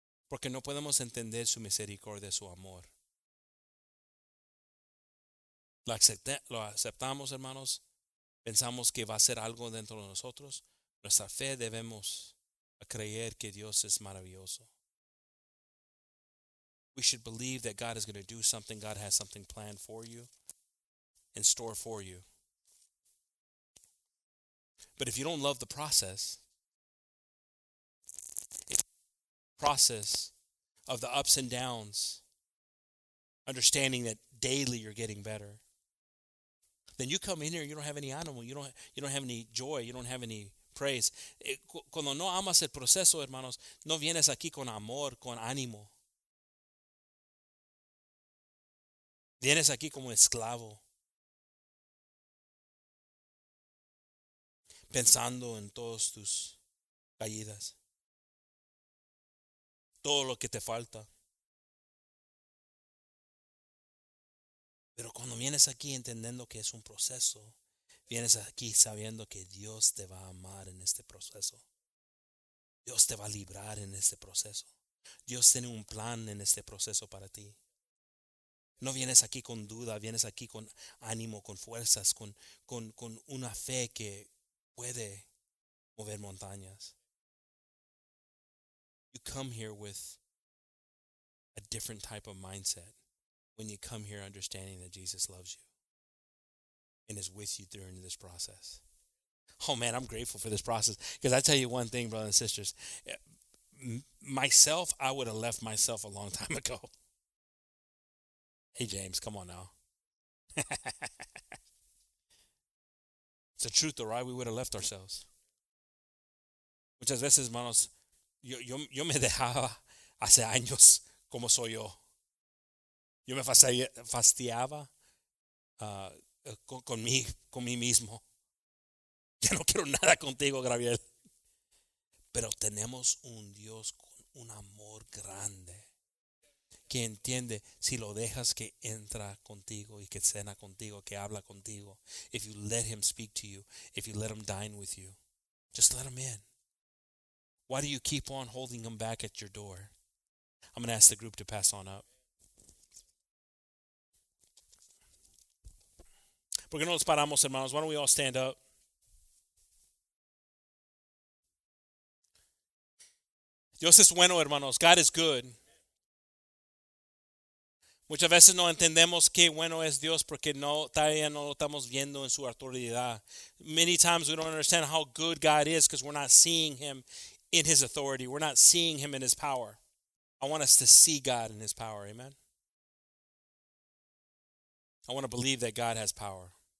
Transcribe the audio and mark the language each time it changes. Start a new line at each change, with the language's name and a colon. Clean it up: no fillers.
Spanish: Porque no podemos entender su misericordia, su amor. Lo aceptamos, hermanos. Pensamos que va a ser algo dentro de nosotros. Nuestra fe debemos creer que Dios es maravilloso.
English: We should believe that God is going to do something. God has something planned for you and store for you. But if you don't love the process, process of the ups and downs, understanding that daily you're getting better, then you come in here, you don't have any animal, you don't have any joy, you don't have any praise.
Spanish: Cuando no amas el proceso, hermanos, no vienes aquí con amor, con ánimo. Vienes aquí como esclavo, pensando en todas tus caídas. Todo lo que te falta. Pero cuando vienes aquí entendiendo que es un proceso, vienes aquí sabiendo que Dios te va a amar en este proceso. Dios te va a librar en este proceso. Dios tiene un plan en este proceso para ti. No vienes aquí con duda, vienes aquí con ánimo, con fuerzas, con una fe que puede mover montañas.
English: You come here with a different type of mindset when you come here understanding that Jesus loves you and is with you during this process. Oh man, I'm grateful for this process, because I tell you one thing, brothers and sisters, myself, I would have left myself a long time ago. Hey James, come on now. It's the truth though, right? We would have left ourselves.
Spanish: Muchas veces, hermanos, Yo me dejaba hace años como soy yo. Yo me fastidiaba con mí mismo. Ya no quiero nada contigo, Gabriel. Pero tenemos un Dios con un amor grande que entiende si lo dejas que entra contigo y que cena contigo, que habla contigo.
English: If you let him speak to you, if you let him dine with you, just let him in. Why do you keep on holding them back at your door? I'm going to ask the group to pass on up.
Spanish: ¿Por qué no nos paramos, hermanos?
English: Why don't we all stand up?
Spanish: Dios es bueno, hermanos.
English: God is good.
Spanish: Muchas veces no entendemos qué bueno es Dios porque no, todavía no lo estamos viendo en su autoridad.
English: Many times we don't understand how good God is because we're not seeing him in his authority. We're not seeing him in his power. I want us to see God in his power. Amen. I want to believe that God has power.